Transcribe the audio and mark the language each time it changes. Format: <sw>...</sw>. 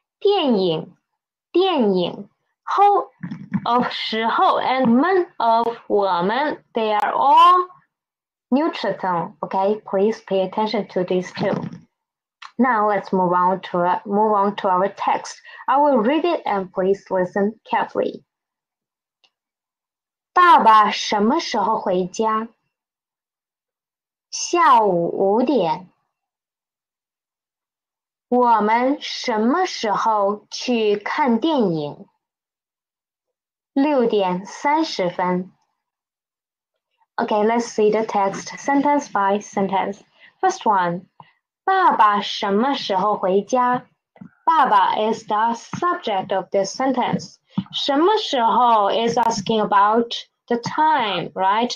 <zh>时候，时候，回，回，我们，我们，电影，电影.</zh> <en>How of 时候 and 们 of 我们, they are all neutral tone, okay? Please pay attention to these two. Now let's move on to our text. I will read it and please listen carefully.</en> <zh>爸爸什么时候回家?下午5点。我们什么时候去看电影? 6点30分。</zh> <en>Okay, let's see the text sentence by sentence. First one,</en> <zh>爸爸什么时候回家?</zh> <en>爸爸 is the subject of this sentence. 什么时候 is asking about the time, right?</en>